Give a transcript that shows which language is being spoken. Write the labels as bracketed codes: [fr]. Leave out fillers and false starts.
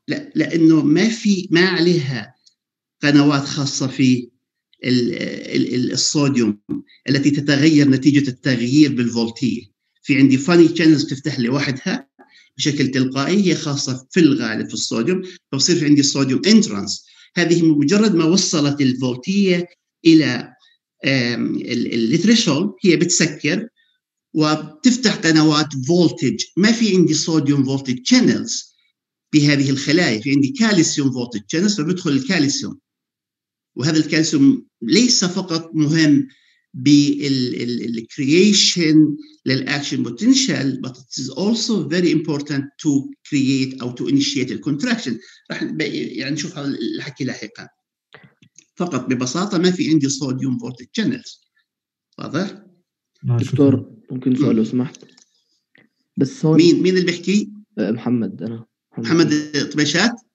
[ar] لا لأنه ما في ما عليها قنوات خاصة في الصوديوم التي تتغير نتيجة التغيير بالفولتية في عندي فاني شانلز تفتح لوحدها بشكل تلقائي هي خاصة في الغالب في الصوديوم فبصير في عندي صوديوم إنترانس هذه مجرد ما وصلت الفولتية إلى الثريشولد هي بتسكر وتفتح قنوات فولتج ما في عندي صوديوم فولتج شانلز بهذه الخلايا في عندي كالسيوم فولتج شانلز فبدخل الكالسيوم وهذا الكالسيوم ليس فقط مهم بالcreation للaction potential, [en] but it is also very important to create or to initiate the contraction. [ar] راح يعني نشوف الحكي لاحقا. فقط ببساطة ما في عندي sodium voltage channels. واضح؟ دكتور ممكن سؤال لو سمحت. بس مين اللي بحكي؟ محمد أنا. محمد طبيشات؟